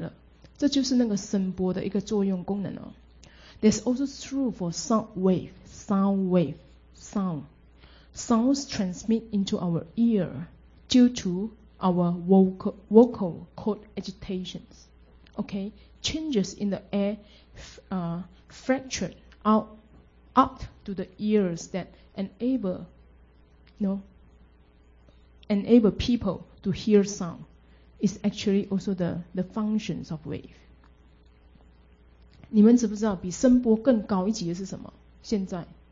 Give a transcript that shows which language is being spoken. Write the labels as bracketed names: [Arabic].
[Chinese] 请问声波是不是也一样？声音传到大家的耳朵里面的时候呢，这是我们的声带的一个震动，那导致呢空气中产生变化，那最终呢，这个声音进到我们的耳朵嘛，就听到声音了，这就是那个声波的一个作用功能哦。 [English] This also true for sound wave. Sounds transmit into our ear due to our vocal cord agitations. Okay, changes in the air fractured up to the ears that enable people to hear sound is actually also the functions of wave. [Chinese] 你们知不知道比声波更高一级的是什么？现在？